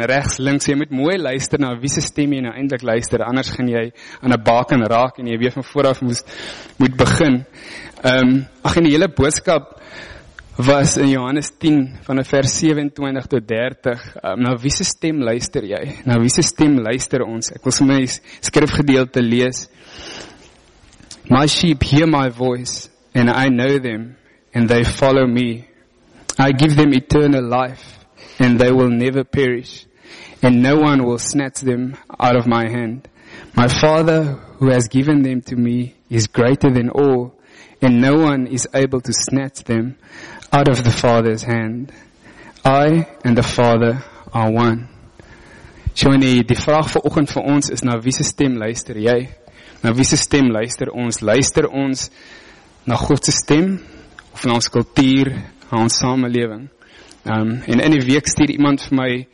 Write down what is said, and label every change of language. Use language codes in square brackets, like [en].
[af] Regs, links, jy moet mooi luister na wie se stem jy nou eindelijk luister, anders gaan jy aan 'n baken raak en jy weer van vooraf moet begin. En die hele boodskap was in Johannes 10 van vers 27 tot 30. Na wie se stem luister jy? Na wie se stem luister ons? Ek wil sommer die skrifgedeelte lees. [en] My sheep hear my voice, and I know them, and they follow me. I give them eternal life, and they will never perish, and no one will snatch them out of my hand. My Father, who has given them to me, is greater than all, and no one is able to snatch them out of the Father's hand. I and the Father are one. [af] So nee, die vraag vir oggend vir ons is, na wie se stem luister jy? Na wie se stem luister ons? Luister ons na God se stem? Of na ons kultuur, na ons samelewing? En in die week stuur iemand vir my